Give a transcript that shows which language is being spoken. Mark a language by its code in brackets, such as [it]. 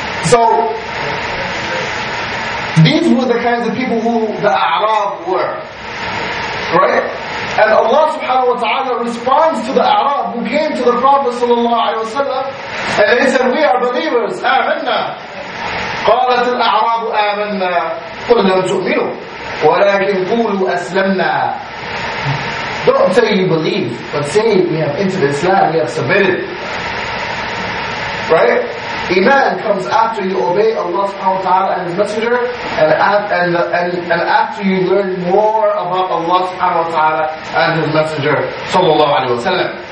[en] So, these were the kinds of people who the A'rab were. Right? And Allah subhanahu wa ta'ala responds to the A'rab who came to the Prophet sallallahu alayhi wa sallam and they said, we are believers, amanna. [ar] قالت الأعراب آمنا قل لم تؤمنوا ولكن قولوا أسلمنا. [en] Don't say you believe, but say we have entered Islam, we have submitted. Right? Iman comes after you obey Allah subhanahu wa ta'ala and His Messenger, and after you learn more about Allah subhanahu wa ta'ala and His Messenger, sallallahu alayhi wa sallam.